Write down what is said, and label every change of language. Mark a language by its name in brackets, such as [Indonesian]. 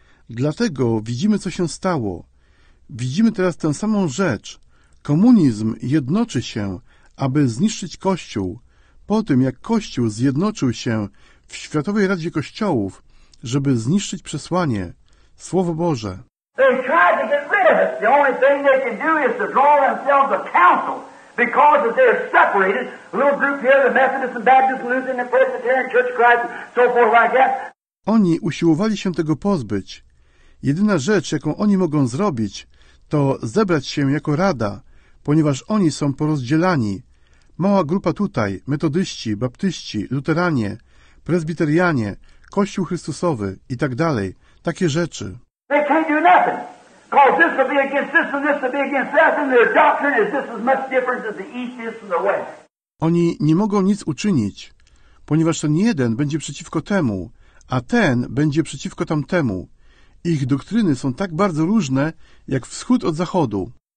[Polish] Dlatego widzimy, co się stało. Widzimy teraz tę samą rzecz. Komunizm jednoczy się, aby zniszczyć Kościół, po tym jak Kościół zjednoczył się w Światowej Radzie Kościołów, żeby zniszczyć przesłanie, Słowo Boże. [English] They tried to get rid of it. The only thing they can do is to draw themselves a council because they're separated. A little group here, the Methodist and Baptist, Lutheran and Presbyterian Church of Christ, and so forth like that. [Polish] Oni usiłowali się tego pozbyć. Jedyna rzecz, jaką oni mogą zrobić, to zebrać się jako rada, ponieważ oni są porozdzielani. Mała grupa tutaj, metodyści, baptyści, luteranie, prezbiterianie, Kościół Chrystusowy i tak dalej. Takie rzeczy. [English] They can't do nothing. Cause this will be against this and this will be against that and their doctrine is just as much different as the east is from the west. [Polish] Oni nie mogą nic uczynić, ponieważ ten jeden będzie przeciwko temu, a ten będzie przeciwko tamtemu. Ich doktryny są tak bardzo różne, jak wschód od zachodu.